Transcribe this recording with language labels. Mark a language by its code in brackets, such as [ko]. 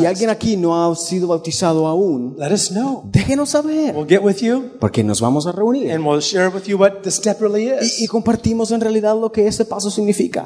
[es] Si alguien aquí no ha sido bautizado aún. [en] Let us know. [es] Déjenos saber. [en] We'll get with you. [es] Porque nos vamos a reunir. [en] And we'll share with you what the step really is. [es] Y compartimos en realidad lo que ese paso significa.